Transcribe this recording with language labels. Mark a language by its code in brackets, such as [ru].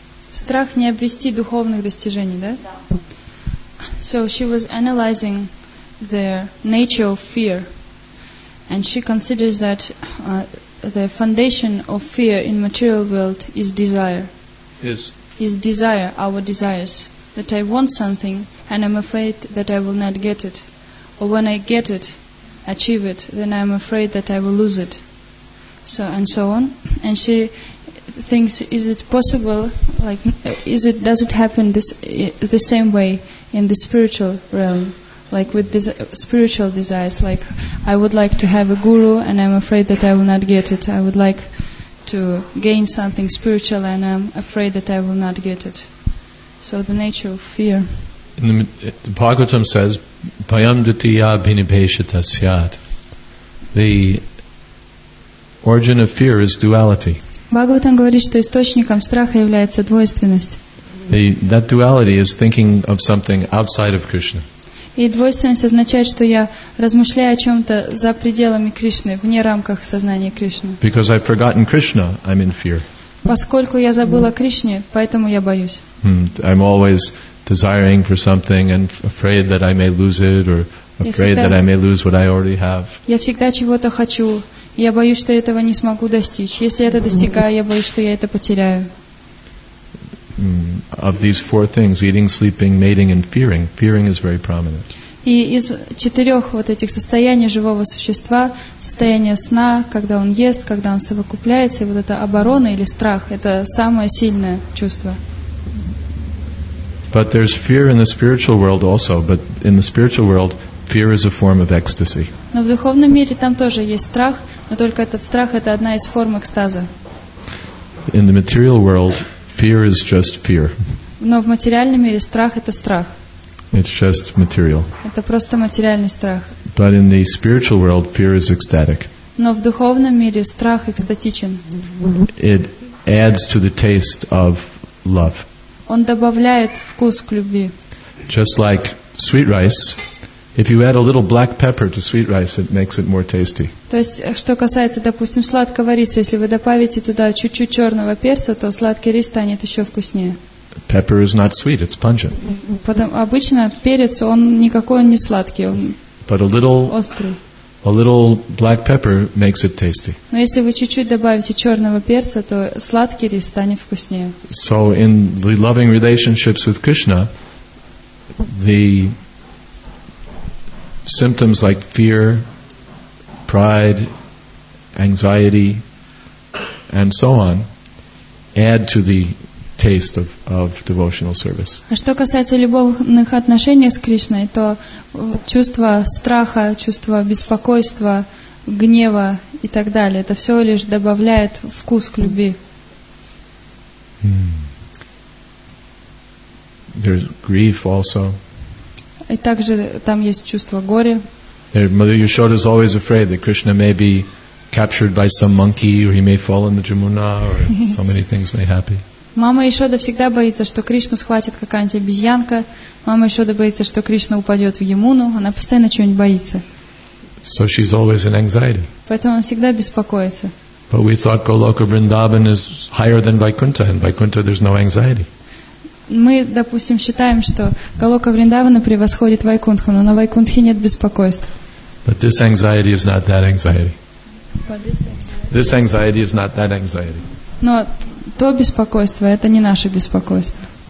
[ru] Страх не обрести духовных достижений, да? Да. [en] So she was analyzing the nature of fear, and she considers that the foundation of fear in material world is desire. Is desire, our desires, that I want something and I'm afraid that I will not get it, or when I get it, achieve it, then I'm afraid that I will lose it, so and so on. And she thinks, is it possible, like, is it, does it happen the same way in the spiritual realm, like with these spiritual desires, like I would like to have a guru and I'm afraid that I will not get it, I would like to gain something spiritual and I'm afraid that I will not get it. So the nature of fear. The Bhagavatam says, [sa] Bhayam dutiya bhinibheshita syat. [en] The origin of fear is duality. [ru] Bhagavatam говорит, что источником страха является двойственность. [en] That duality is thinking of something outside of Krishna. [ru] И двойственность означает, что я размышляю о чем-то за пределами Кришны, вне рамках сознания Кришны. [en] Because I've forgotten Krishna, I'm in fear. [ru] Поскольку я забыл о Кришне, поэтому я боюсь. [en] I'm always desiring for something and afraid that I may lose it or afraid that I may lose what I already have. [ru] Я всегда чего-то хочу. Я боюсь, что этого не смогу достичь. Если я это достигаю, я боюсь, что я это потеряю. [en] Of these four things, eating, sleeping, mating, and fearing, fearing is very prominent. [ru] И из четырех вот этих состояний живого существа, состояние сна, когда он ест, когда он совокупляется, и вот это оборона или страх, это самое сильное чувство. [en] But there's fear in the spiritual world also, but in the spiritual world, fear is a form of ecstasy. [ru] Но в духовном мире там тоже есть страх, но только этот страх — это одна из форм экстаза. [en] In the material world, fear is just fear. [ru] Но в материальном мире страх — это страх. [en] It's just material. [ru] Это просто материальный страх. [en] But in the spiritual world, fear is ecstatic. [ru] Но в духовном мире страх экстатичен. [en] It adds to the taste of love. [ru] Он добавляет вкус к любви. [en] Just like sweet rice. If you add a little black pepper to sweet rice, it makes it more tasty. [ru] То есть, что касается, допустим, сладкого риса, если вы добавите туда чуть-чуть черного перца, то сладкий рис станет еще вкуснее. [en] Pepper is not sweet, it's pungent. [ru] Обычно перец, он никакой не сладкий, он острый. [en] But a little black pepper makes it tasty. [ru] Но если вы чуть-чуть добавите черного перца, то сладкий рис станет вкуснее. [en] So in the loving relationships with Krishna, the symptoms like fear, pride, anxiety, and so on add to the taste of devotional service. [ru] А что касается любовных отношений с Кришной, то чувство страха, чувство беспокойства, гнева и так далее, это все лишь добавляет вкус к любви. [en] There's grief also. [ru] И также там есть чувство горя. [en] Mother Yashoda is always afraid that Krishna may be captured by some monkey, or he may fall in the Jamuna, or so many things may happen. [ru] Мама Яшода всегда боится, что Кришну схватит какая-нибудь обезьянка. Мама Яшода боится, что Кришна упадет в Ямуну. Она постоянно чего-нибудь боится. [en] So she's always in anxiety. [ru] Поэтому она всегда беспокоится. [en] But we thought Goloka Vrindavan is higher than Vaikuntha, and Vaikuntha there's no anxiety. [ru] Мы, допустим, считаем, что Голока Вриндавана превосходит Вайкунтху, но на Вайкунтхе нет беспокойства. [en] But this anxiety is not that anxiety. This anxiety is not that anxiety. [ru] Но то беспокойство — это не наше беспокойство.